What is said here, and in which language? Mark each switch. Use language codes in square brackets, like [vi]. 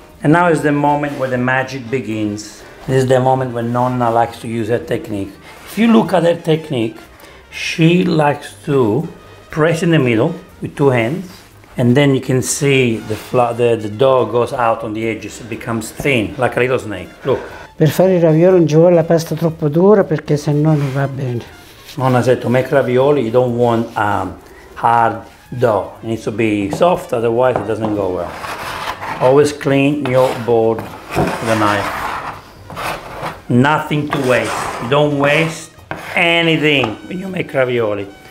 [en] And now is the moment where the magic begins. This is the moment when Nonna likes to use her technique. If you look at her technique, she likes to press in the middle with 2 hands, and then you can see the dough goes out on the edges. It becomes thin, like a little snake. Look, [it] per fare i ravioli non ci vuole la pasta troppo dura, perché se no non va bene. [en] Nonna said to make ravioli you don't want hard dough, it needs to be soft, otherwise it doesn't go well. Always clean your board with a knife. Nothing to waste. You don't waste anything when you make ravioli.